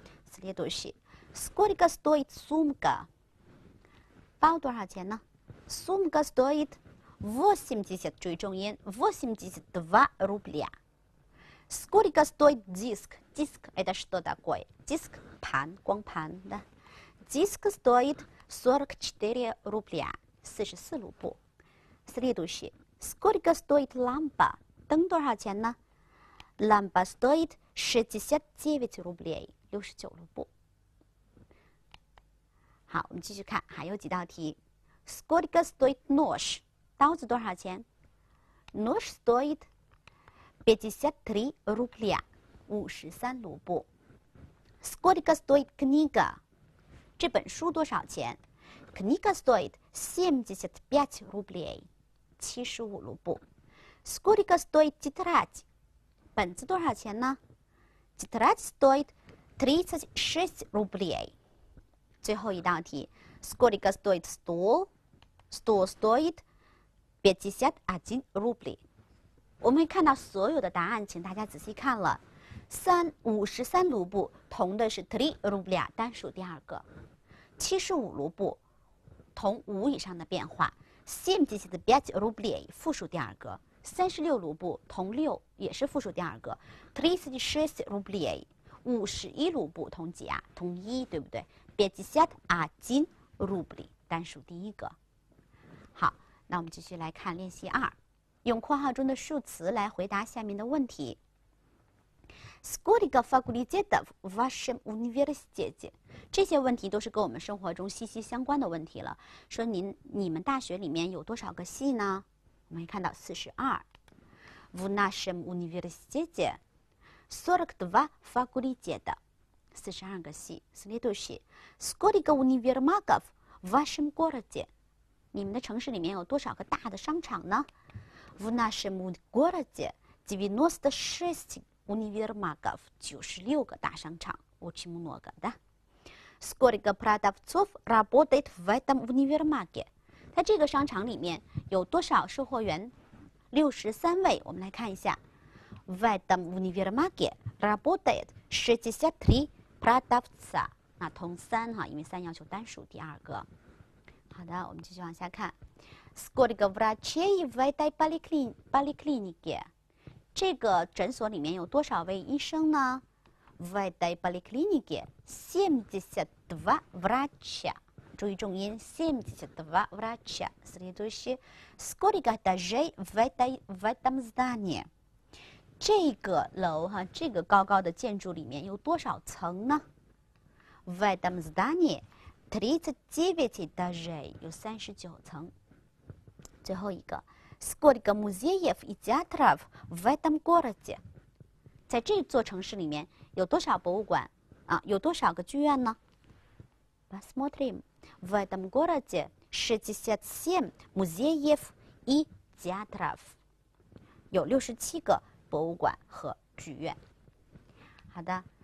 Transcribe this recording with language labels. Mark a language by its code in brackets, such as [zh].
[zh] 斯列多西。 [ru] Сколько стоит сумка？ [zh] 包多少钱呢？ [ru] Сумка стоит 80， [zh] 注意重音， [ru] 82 рубля。 Сколько стоит диск？ [zh] диск 哎，这是多大贵？диск 盘，光盘的。 [ru] диск стоит 44 рубля，44卢布。 [zh] 斯列多西。 [ru] Сколько стоит лампа？ [zh] 灯多少钱呢？ [ru] Лампа стоит 69 рублей， [zh] 69卢布。好，我们继续看，还有几道题。Сколько стоит нож？刀子多少钱？ [ru] Нож стоит 53 рубля， [zh] 53卢布。 [ru] Сколько стоит книга？ [zh] 这本书多少钱？ [ru] Книга стоит 75 рублей，75卢布。 Сколько стоит тетрадь？ [zh] 本子多少钱呢？ [ru] Тетрадь стоит 36 рублей。 [zh] 最后一道题， [ru] Сколько стоит стул？Стул стоит 51 рубль。 [zh] 我们看到所有的答案，请大家仔细看了。53卢布，同的是 [ru] три рубля， [zh] 单数第二个。 75卢布，同五以上的变化。 [ru] 75 рублей， [zh] 复数第二个。36卢布，同六也是复数第二个。 [ru] 36 рублей。 [zh] 51卢布同几啊？同一，对不对？ [ru] 51 рубли， [zh] 单数第一个。好，那我们继续来看练习二，用括号中的数词来回答下面的问题。 [ru] Сколько факультетов в вашем университете？ [zh] 这些问题都是跟我们生活中息息相关的问题了。说你们大学里面有多少个系呢？我们可以看到42。 [ru] В нашем университете。 42 факультета， [zh] 42个系。 [ru] Следующий, сколько универмагов в вашем городе？ [zh] 你们的城市里面有多少个大的商场呢？ [ru] В нашем городе 96 универмагов， [zh] 96个大商场。 [ru] Очень много, да? Сколько продавцов работает в этом универмаге？ [zh] 在这个商场里面有多少售货员？ 63位。我们来看一下。 [ru] В этом универмаге работает 63 продавца。 [zh] 那同三哈，因为三要求单数第二个。好的，我们继续往下看。 [ru] Сколько врачей в этой поликлинике？ [zh] 这个诊所里面有多少位医生呢？ [ru] В этой поликлинике 72 врача。 [zh] 注意重音， [ru] 72 врача。 Следующий. Сколько этажей в этом здании？ [zh] 这个楼哈，这个高高的建筑里面有多少层呢？ [ru] В этом здании 39 этажей， [zh] 有39层。最后一个， [ru] Сколько музеев и театров в этом городе？ [zh] 在这座城市里面有多少博物馆啊？有多少个剧院呢？ [ru] Посмотрим в этом городе 67 музеев и театров， [zh] 有67个。博物馆和剧院。好的，